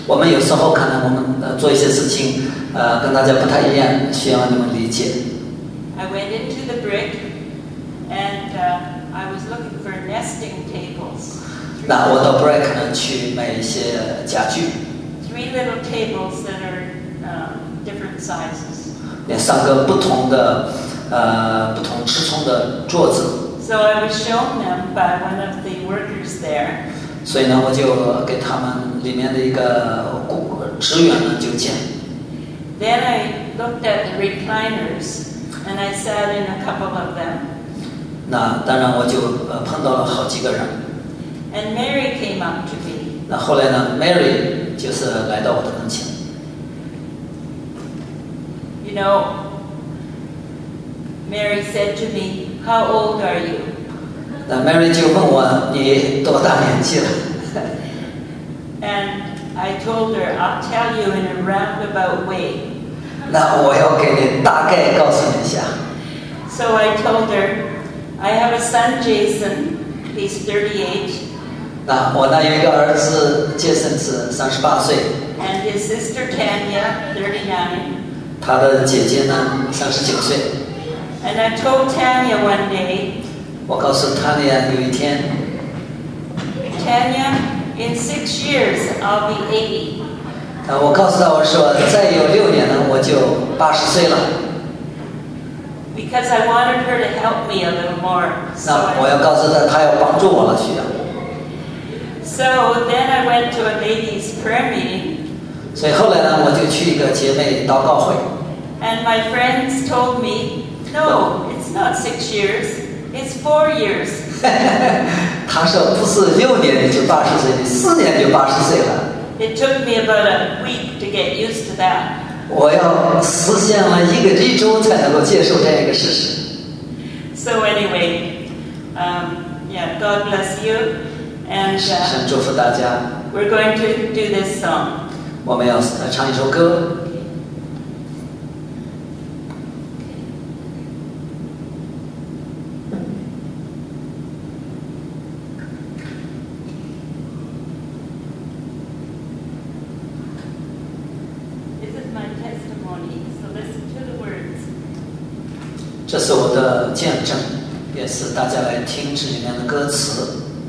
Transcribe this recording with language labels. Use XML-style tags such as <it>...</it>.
<zh>我们有时候可能我们做一些事情跟大家不太一样，需要你们理解。</zh> <en>I went into the brick, and I was looking for nesting tables.</en> <zh>那我到 brick 呢去买一些家具。</zh> <en>Three little tables that are different sizes.</en> <zh>三个不同的不同尺寸的桌子。</zh> <en>So I was shown them by one of the workers there.</en> <zh>所以呢我就给他们里面的一个职员呢就讲。</zh> <en>Then I looked at the recliners and I sat in a couple of them.</en> <zh>那当然我就碰到了好几个人。</zh> <en>And Mary came up to me.</en> <zh>那后来呢 Mary 就是来到我的跟前。</zh> <en>You know, Mary said to me, "How old are you?"</en> <zh>那 Mary 就问我你多大年纪了。</zh> <en>And I told her, "I'll tell you in a roundabout way."</en> <zh>那我要给你大概告诉你一下。</zh> <en>So I told her, "I have a son, Jason. He's 38."</en> <zh>那我那有一个儿子，杰森是38岁。</zh> <en>And his sister Tanya, 39.</en> <zh>他的姐姐呢39岁。</zh> <en>And I told Tanya one day,</en> <zh>我告诉 Tanya 有一天</zh> <en>Tanya, in 6 years, I'll be 80.</en> <zh>我告诉他我说再有6年呢我就80岁了。</zh> <en>Because I wanted her to help me a little more.</en> <zh>那我要告诉他他要帮助我了需要。</zh> <en>So then I went to a ladies prayer meeting.</en> <zh>所以后来呢，我就去一个姐妹祷告会。</zh> <en>And my friends told me, no, it's not 6 years, it's 4 years.</en> <zh>他说不是六年你就八十岁，四年就八十岁了。</zh> <en>It took me about a week to get used to that.</en> <zh>我要实现了一周才能够接受这样一个事实。</zh> <en>So anyway, God bless you, and</en> <zh>神祝福大家。</zh> <en>We're going to do this song.</en> <zh>我们要唱一首歌。</zh> <en>This is my testimony, so listen to the words.</en> <zh>这是我的见证，也是大家来听这里面的歌词。</zh>